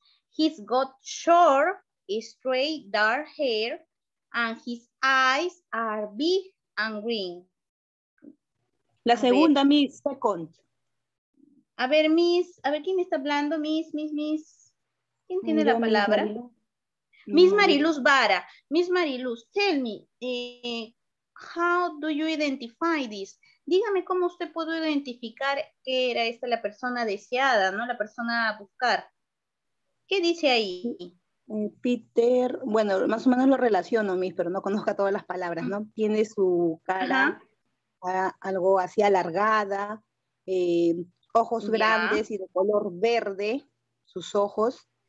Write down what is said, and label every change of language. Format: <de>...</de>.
<en>He's got short, straight, dark hair, and his eyes are big and green.</en> <es>La segunda, Miss, second. A ver, Miss, a ver quién está hablando, Miss. ¿Quién tiene la palabra? Miss Mariluz Vara.</es> <en>Miss Mariluz, tell me, how do you identify this?</en> <es>Dígame cómo usted pudo identificar que era esta la persona deseada, ¿no? La persona a buscar. ¿Qué dice ahí? Peter, bueno, más o menos lo relaciono, Miss, pero no conozco todas las palabras, ¿no? Tiene su cara algo así alargada, ojos grandes y de color verde, sus ojos.</es>